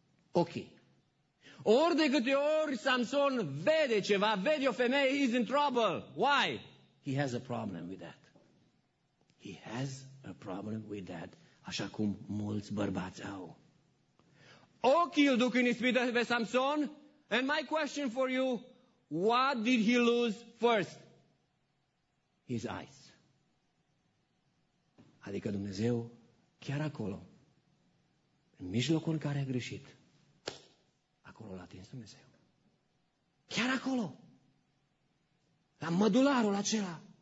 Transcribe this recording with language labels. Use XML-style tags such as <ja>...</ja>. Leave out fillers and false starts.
<ro>Ochii. Ori de câte ori Samson vede ceva, vede o femeie,</ro> <en>he's in trouble. Why? He has a problem with that. He has a problem with that,</en> <ro>așa cum mulți bărbați au. Ochii îl duc în ispită pe Samson.</ro> <en>And my question for you, what did he lose first? His eyes.</en> <ro>Adică Dumnezeu, chiar acolo, în mijlocul în care a greșit, acolo l-a atins Dumnezeu. Chiar acolo, la mădularul acela.</ro>